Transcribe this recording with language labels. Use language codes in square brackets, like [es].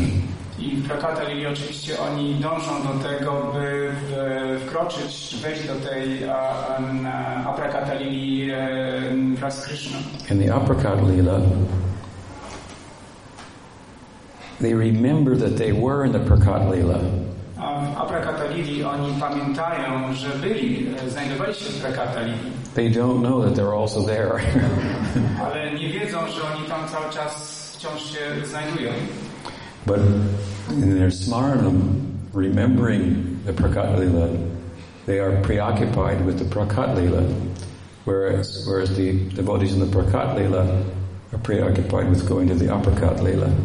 [pl] I w prakata lili oczywiście oni dążą do tego, by wkroczyć, wejść do tej aprakata lili wraz z Krishna. [en] In the aprakat lila, they remember that they were in the prakat lila. [pl] A prakata lili, oni pamiętają, że byli, znajdowali się w prakata lili. [en] They don't know that they're also there. [pl] Ale nie wiedzą, że oni tam cały czas wciąż się znajdują. [en] But in their smarana, remembering the prakata lila, they are preoccupied with the prakata lila, whereas the devotees in the prakata lila are preoccupied with going to the aprakat lila.